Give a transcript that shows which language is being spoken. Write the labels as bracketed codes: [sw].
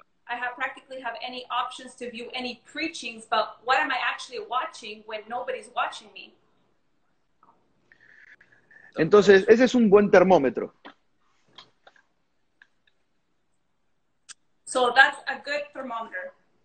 [en] I practically have any options to view any preachings, but what am I actually watching when nobody's watching me? [es] Entonces, ese es un buen termómetro. [en] So that's a good thermometer.